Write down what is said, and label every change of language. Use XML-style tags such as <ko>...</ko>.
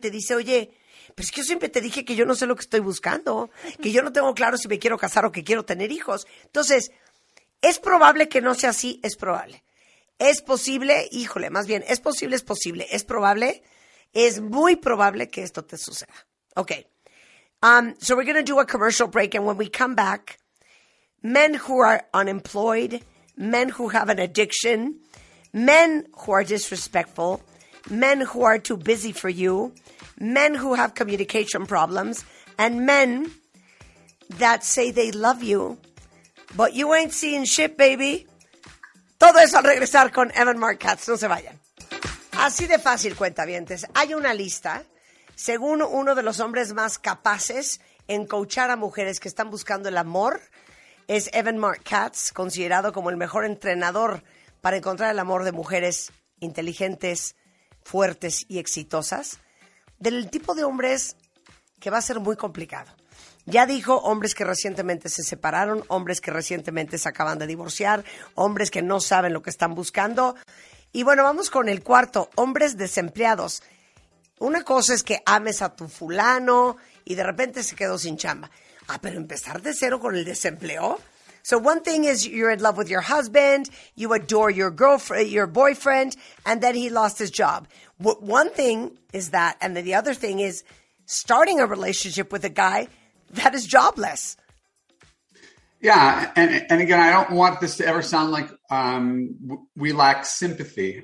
<es>Y te dice, oye, pero es que yo siempre te dije que yo no sé lo que estoy buscando, que yo no tengo claro si me quiero casar o que quiero tener hijos. Entonces, ¿es probable que no sea así? Es probable. ¿Es posible? Híjole, más bien, ¿es posible? Es posible. ¿Es probable? Es muy probable que esto te suceda.</es> <en>Okay. So we're going to do a commercial break, and when we come back, men who are unemployed, men who have an addiction, men who are disrespectful, men who are too busy for you, men who have communication problems, and men that say they love you, but you ain't seeing shit, baby.</en> <es>Todo eso al regresar con Evan Mark Katz. No se vayan. Así de fácil, cuentavientes. Hay una lista, según uno de los hombres más capaces en coachar a mujeres que están buscando el amor, es Evan Mark Katz, considerado como el mejor entrenador para encontrar el amor de mujeres inteligentes, fuertes y exitosas, del tipo de hombres que va a ser muy complicado. Ya dijo, hombres que recientemente se separaron, hombres que recientemente se acaban de divorciar, hombres que no saben lo que están buscando. Y bueno, vamos con el cuarto, hombres desempleados. Una cosa es que ames a tu fulano y de repente se quedó sin chamba. Ah, pero empezar de cero con el desempleo.</es> <en>So one thing is you're in love with your husband, you adore your girlfriend, your boyfriend, and then he lost his job. One thing is that, and then the other thing is starting a relationship with a guy that is jobless. Yeah, and again, I don't want this to ever sound like we lack sympathy.</en>